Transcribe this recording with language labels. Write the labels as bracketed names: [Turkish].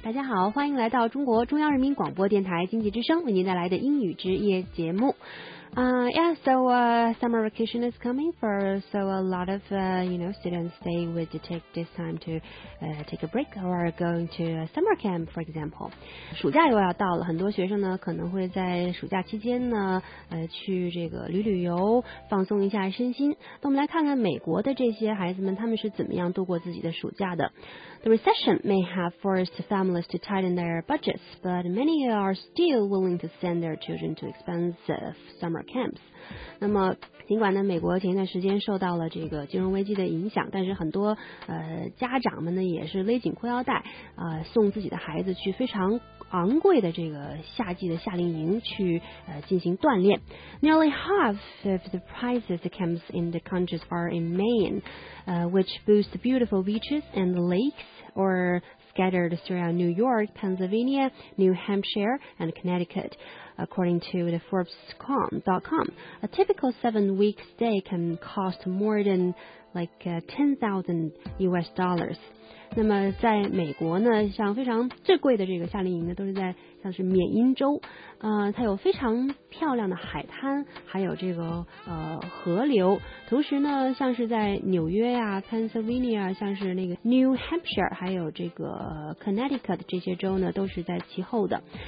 [Chinese] 大家好，欢迎来到中国中央人民广播电台经济之声为您带来的英语之夜节目。 [English] Summer vacation is coming for so a lot of students they would take this time to take a break or going to a summer camp, for example. [Chinese] 暑假又要到了，很多学生呢可能会在暑假期间呢去这个旅游，放松一下身心。那我们来看看美国的这些孩子们，他们是怎么样度过自己的暑假的。 [English] The recession may have forced families to tighten their budgets, but many are still willing to send their children to expensive summer camps. [Chinese] 那么尽管呢美国前一段时间受到了这个金融危机的影响，但是很多家长们呢也是勒紧裤腰带送自己的孩子去非常昂贵的这个夏季的夏令营去进行锻炼。 [English] Nearly half of the prices of camps in the country are in Maine, which boasts beautiful beaches and lakes or scattered throughout New York, Pennsylvania, New Hampshire, and Connecticut, according to the Forbes.com. A typical 7-week stay can cost more than like $10,000. [Chinese] 那么在美国呢，像非常最贵的这个夏令营呢，都是在像是缅因州，它有非常漂亮的海滩，还有这个河流。同时呢，像是在纽约呀、Pennsylvania， 像是那个 New Hampshire， 还有这个Connecticut 这些州呢，都是在其后的。